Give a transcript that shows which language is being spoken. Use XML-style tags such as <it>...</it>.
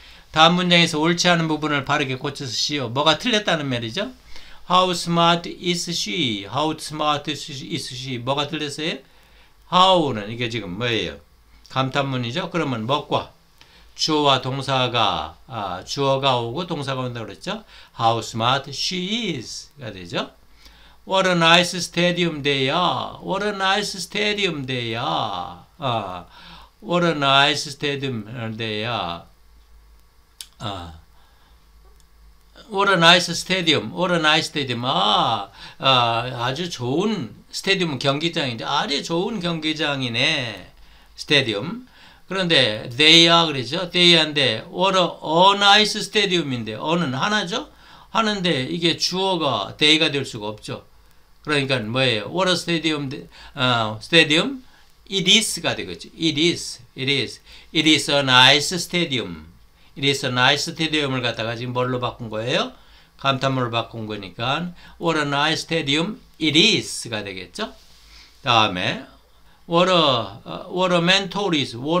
<ko>다음 문장에서 옳지 않은 부분을 바르게 고쳐 쓰시오. 뭐가 틀렸다는 말이죠?</ko> <en>How smart is she? How smart is she?</en> <ko>뭐가 틀렸어요? How는 이게 지금 뭐예요? 감탄문이죠? 그러면 뭐과? 주어와 동사가, 주어가 오고 동사가 온다고 그랬죠?</ko> <en>How smart she is가 되죠? What a nice stadium they are. What a nice stadium they are. What a nice stadium they are. What a nice stadium. What a nice stadium.</en> <ko>아주 좋은 스테디움은 경기장인데 아주 좋은 경기장이네. 스테디움. 그런데 they are 그러죠. they are인데</ko> <en>what a nice stadium</en> <ko>인데 어는 하나죠. 하는데 이게 주어가 they가 될 수가 없죠. 그러니까 뭐예요?</ko> <en>what a stadium stadium it is가 되겠죠. it is a nice stadium.</en> <ko>it is a nice stadium을 갖다가 지금 뭘로 바꾼 거예요? 감탄문을 바꾼 거니까</ko> <en>what a nice stadium it is가 되겠죠. 다음에 What a mentor is?</en>